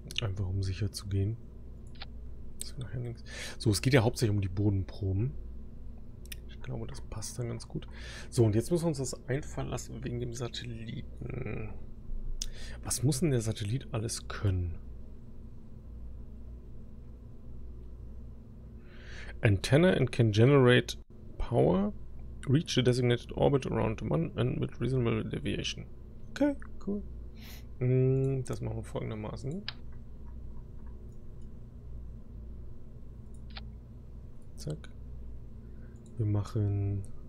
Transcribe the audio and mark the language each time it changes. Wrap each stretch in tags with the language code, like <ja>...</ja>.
<de>Einfach um sicher zu gehen. Das wird nachher nichts. So, es geht ja hauptsächlich um die Bodenproben. Ich glaube, das passt dann ganz gut. So, und jetzt müssen wir uns das einfallen lassen wegen dem Satelliten. Was muss denn der Satellit alles können?</de> <en>Antenna and can generate power, reach the designated orbit around the moon and with reasonable deviation. Okay, cool.</en> <de>Das machen wir folgendermaßen. Zack. Wir machen...</de>